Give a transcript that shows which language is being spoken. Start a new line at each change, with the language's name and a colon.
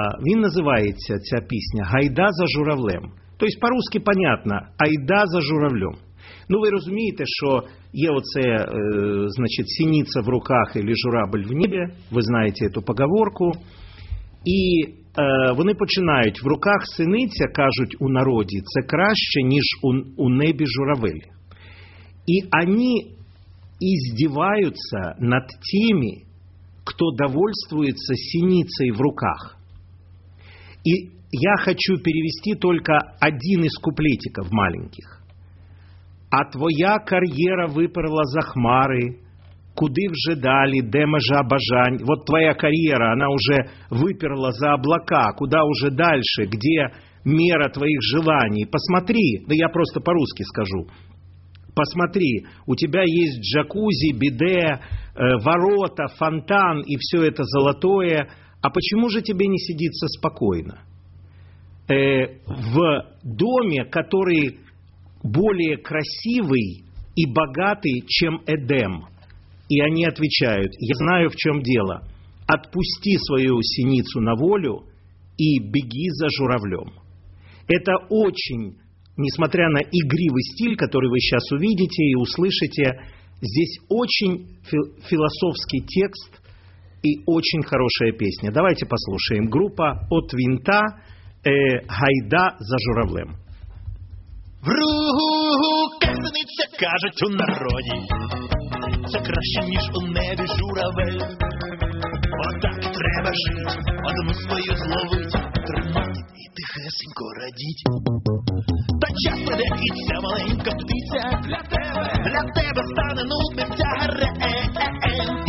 Ukrainian: Він називається, ця пісня, «Гайда за журавлем». Тобто,
Russian: по-русски понятно, «Айда за журавлем».
Ukrainian: Ну, ви розумієте, що є оце, значить, синиця в руках или журабль в небі, ви знаєте цю поговорку, і вони починають, в руках синиця, кажуть у народі, це краще, ніж у небі журавель. І вони іздіваються над тими, хто довольствується синицей в руках. І я хочу перевести тільки один із куплетиків маленьких. А твоя кар'єра виперла за хмари, куди вже далі, де межа бажань? От твоя кар'єра, вона вже виперла за облака, куди вже далі, де міра твоїх желаній?
Russian: Посмотри, да я просто по-русски скажу, посмотри,
Ukrainian: у тебе є джакузі, біде, ворота, фонтан і все це золотое, а чому ж тобі не сидиться спокійно? В домі,
Russian: який более красивый и богатый, чем Эдем. И они отвечают, я знаю, в чем дело. Отпусти свою синицу на волю и беги за журавлем. Это очень, несмотря на игривый стиль, который вы сейчас увидите и услышите, здесь очень философский текст и очень хорошая песня. Давайте послушаем. Группа От Винта, «Гайда за журавлем».
Ukrainian: В руку касаниця, кажуть у народі, Сонце краще, ніж у небі журавель. Отак треба жити, одну свою зловити, тримати і тихесенько радіть. Та час пройде, і ця маленька птиця для тебе стане нудним тягарем.